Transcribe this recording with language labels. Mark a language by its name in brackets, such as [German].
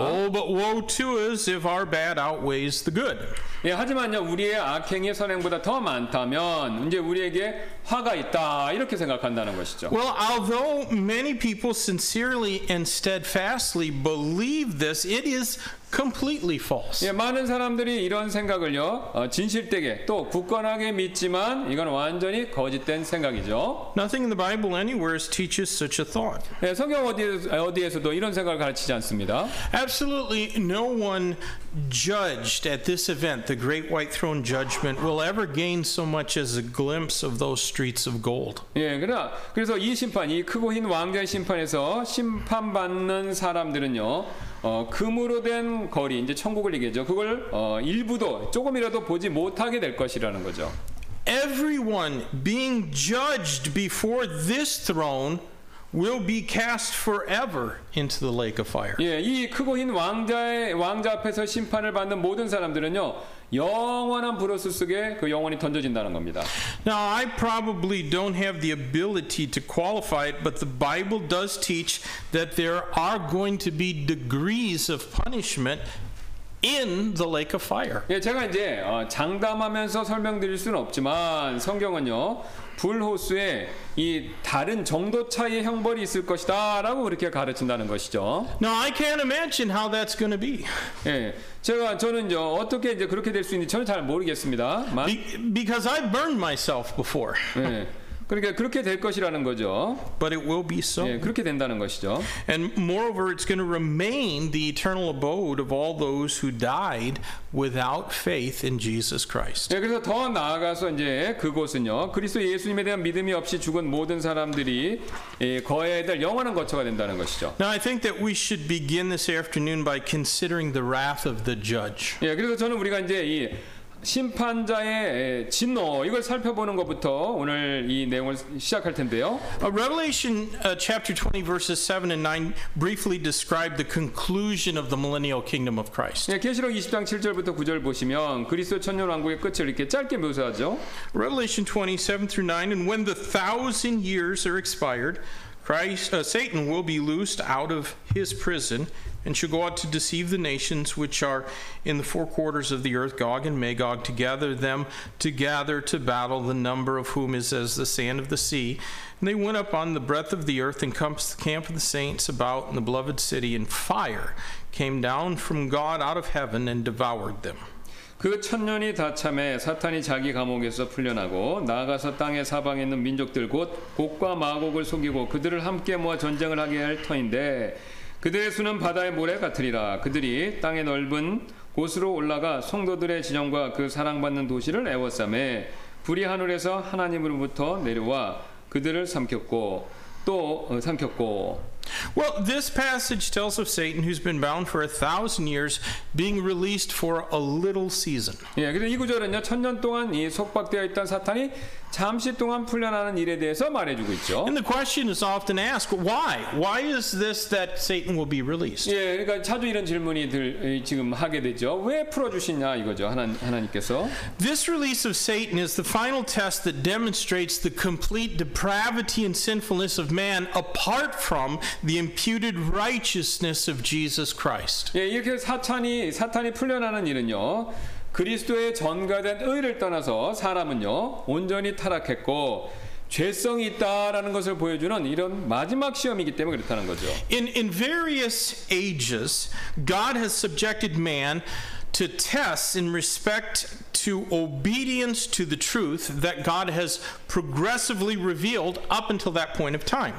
[English] Oh, but woe to us if our bad outweighs the good. [Korean] 예, 하지만요 우리의 악행이 선행보다 더 많다면 이제 우리에게 화가 있다 이렇게 생각한다는 것이죠. [English] Well, although many people sincerely and steadfastly believe this, it is completely false. [Korean] 예, 많은 사람들이 이런 생각을요 진실되게 또 굳건하게 믿지만 이건 완전히 거짓된 생각이죠. [English] Nothing in the Bible anywhere teaches such a thought. [Korean] 예, 성경 어디에서도 이런 생각을 가르치지 않습니다. [English] Absolutely no one judged at this event, the Great White Throne Judgment, will ever gain so much as a glimpse of those streets of gold. [Korean] 예, 그래서 이 심판, 이 크고 흰 왕좌의 심판에서 심판받는 사람들은요. 금으로 된 거리, 이제 천국을 얘기하죠. 그걸 일부도 조금이라도 보지 못하게 될 것이라는 거죠. [English] Everyone being judged before this throne will be cast forever into the lake of fire. [Korean] 예, 이 크고 흰 왕좌 앞에서 심판을 받는 모든 사람들은요. 영원한 불어수 속에 그 영원히 던져진다는 겁니다. [English] Now I probably don't have the ability to qualify it, but the Bible does teach that there are going to be degrees of punishment in the lake of fire. [Korean] 예, 제가 이제 장담하면서 설명드릴 수는 없지만 성경은요. 불호수에 이 다른 정도 차이의 형벌이 있을 것이다라고 그렇게 가르친다는 것이죠. [English] Now I can't imagine how that's going to be. [Korean] 예. 저는요. 어떻게 이제 그렇게 될 수 있는지 저는 잘 모르겠습니다. [English] Because I burned myself before. [Korean] 예. 그러니까 그렇게 될 것이라는 거죠. [English] But it will be so. [Korean] 예, 그렇게 된다는 것이죠. [English] And moreover, it's going to remain the eternal abode of all those who died without faith in Jesus Christ. [Korean] 예, 그래서 더 나아가서 이제 그곳은요, 그리스도 예수님에 대한 믿음이 없이 죽은 모든 사람들이 예, 거해야 될 영원한 거처가 된다는 것이죠. [English] Now I think that we should begin this afternoon by considering the wrath of the judge. [Korean] 예, 그래서 저는 우리가 이제 이 심판자의 진노 이걸 살펴보는 것부터 오늘 이 내용을 시작할 텐데요. [English] Revelation chapter 20 verses 7 and 9 briefly describe the conclusion of the millennial kingdom of Christ. [Korean] 예, 계시록 20장 7절부터 9절 보시면 그리스도 천년 왕국의 끝을 이렇게 짧게 묘사하죠. [English] Revelation 20 7 through 9 and when the 1000 years are expired, Satan will be loosed out of his prison. And shall go out to deceive the nations which are in the four quarters of the earth, Gog and Magog, to gather them together to battle, the number of whom is as the sand of the sea. And they went up on the breadth of the earth and compassed the camp of the saints about in the beloved city, and fire came down from God out of heaven and devoured them. [Korean] 그 천년이 다 참에 사탄이 자기 감옥에서 풀려나고 나아가서 땅의 사방에 있는 민족들 곧 곡과 마곡을 속이고 그들을 함께 모아 전쟁을 하게 할 터인데 그들의 수는 바다의 모래 같으리라. 그들이 땅의 넓은 곳으로 올라가 성도들의 진영과 그 사랑받는 도시를 에워싸매 불이 하늘에서 하나님으로부터 내려와 그들을 삼켰고 또 삼켰고. [English] Well, this passage tells of Satan who's been bound for 1,000 years being released for a little season. [Korean] 예, 그래서 이 구절은요, 천년 동안 이 속박되어 있던 사탄이 잠시 동안 풀려나는 일에 대해서 말해주고 있죠. [English] And the question is often asked, why? Why is this that Satan will be released? [Korean] 예, 그러니까 자주 이런 질문이 지금 하게 되죠. 왜 풀어주시냐 이거죠, 하나님께서. [English] This release of Satan is the final test that demonstrates the complete depravity and sinfulness of man apart from the imputed righteousness of Jesus Christ. [Korean] 예, 이렇게 사탄이 풀려나는 일은요. 그리스도의 전가된 의를 떠나서 사람은요 온전히 타락했고 죄성이 있다라는 것을 보여주는 이런 마지막 시험이기 때문에 그렇다는 거죠. [English] In various ages, God has subjected man to tests in respect to obedience to the truth that God has progressively revealed up until that point of time.